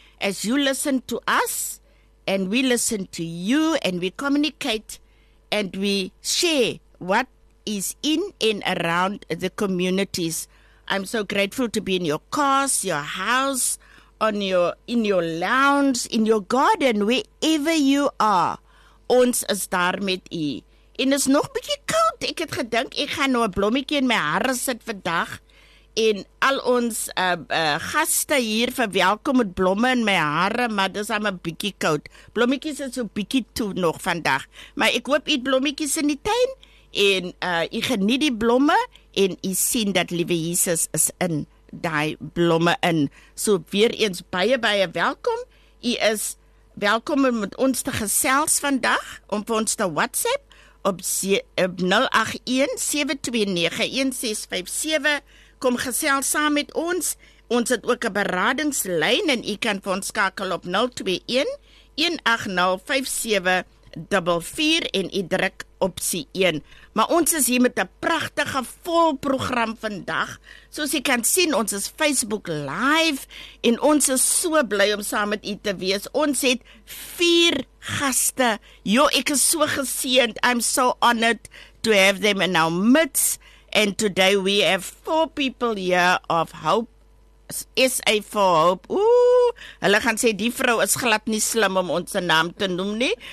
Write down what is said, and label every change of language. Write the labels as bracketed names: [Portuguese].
[English] As you listen to us, and we listen to you, and we communicate, and we share what is in and around the communities. I'm so grateful to be in your cars, your house, in your lounge, in your garden, wherever you are. [Afrikaans] Ons is daar met u. En is nog bietjie koud. Ek het gedink, ek gaan nou 'n blommetjie in my hare sit vandag. En al ons gaste hier verwelkom met blomme in my hare, maar dis al 'n bietjie koud. Blommetjies is so bietjie toe nog vandag. Maar ek hoop u blommetjies in die tuin en u geniet die blomme en u sien dat liewe Jesus is in die blomme in. So weer eens baie baie welkom. U is welkom om met ons te gesels vandag om vir ons te WhatsApp op 0817291657. Kom gesels saam met ons. Ons het ook 'n beradingslyn en u kan vir ons skakel op 021 1805744 en u druk opsie 1. Maar ons is hier met 'n pragtige vol program vandag. Soos jy kan sien, ons is Facebook Live en ons is so bly om saam met u te wees. Ons het 4 gaste. Jo, ek is so geseend. [English] I'm so honored to have them in our midst. And today we have 4 people here of Hope. SA for Hope. [Afrikaans] Ooh, hulle gaan sê die vrou is glad nie slim om ons naam te noem nie.